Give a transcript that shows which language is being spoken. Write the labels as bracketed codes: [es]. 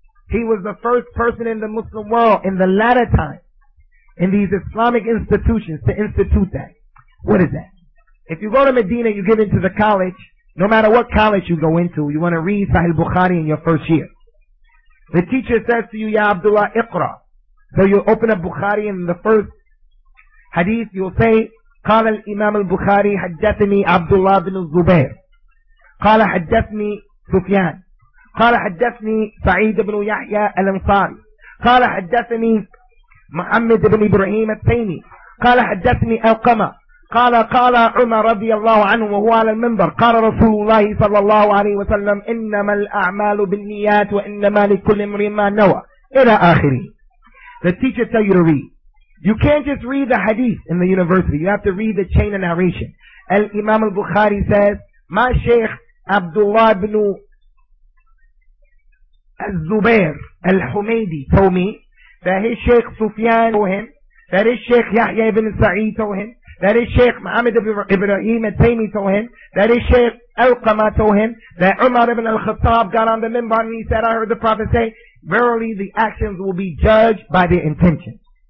[en] He was the first person in the Muslim world in the latter time in these Islamic institutions to institute that. What is that? If you go to Medina, you get into the college, no matter what college you go into, you want to read Sahih Bukhari in your first year. The teacher says to you, [ar] Ya Abdullah, Iqra. [en] So you open up Bukhari, and in the first hadith, you'll say, [ar] قال الإمام البخاري حدثني عبد الله بن الزبير قال حدثني سفيان قال حدثني سعيد بن يحيى الأنصاري قال حدثني محمد بن إبراهيم التيمي قال حدثني ألقمة قال عمر رضي الله عنه وهو على المنبر قال رسول الله صلى الله عليه وسلم إنما الأعمال بالنيات وإنما لكل امرئ ما نوى إلى آخره. [en] The teacher tell you to read. You can't just read the hadith in the university. You have to read the chain of narration. Al-Imam al-Bukhari says, my Shaykh Abdullah ibn al-Zubair al-Humaydi told me that his Shaykh Sufyan told him, that his Shaykh Yahya ibn Sa'id told him, that his Shaykh Muhammad ibn Ibrahim al-Taymi told him, that his Shaykh Al-Qama told him, that Umar ibn al-Khattab got on the minbar and he said, I heard the Prophet say, verily the actions will be judged by their intentions.